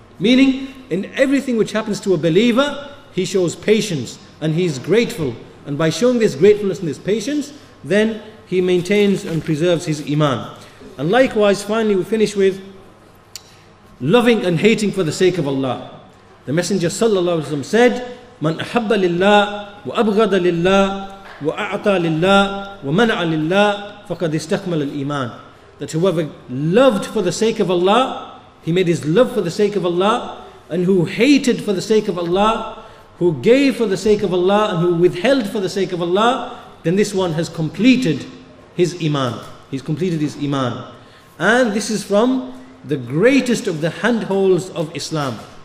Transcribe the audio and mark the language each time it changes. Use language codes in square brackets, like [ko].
[en] Meaning, in everything which happens to a believer, he shows patience and he is grateful. And by showing this gratefulness and this patience, then he maintains and preserves his iman. And likewise, finally we finish with loving and hating for the sake of Allah. The Messenger sallallahu alaihi wasallam said, [ar] من أحب لله وأبغض لله وأعطى لله ومنع لله فقد استكمل الإيمان. [en] That whoever loved for the sake of Allah, he made his love for the sake of Allah, and who hated for the sake of Allah, who gave for the sake of Allah, and who withheld for the sake of Allah, then this one has completed his iman. He's completed his iman. And this is from the greatest of the handholds of Islam.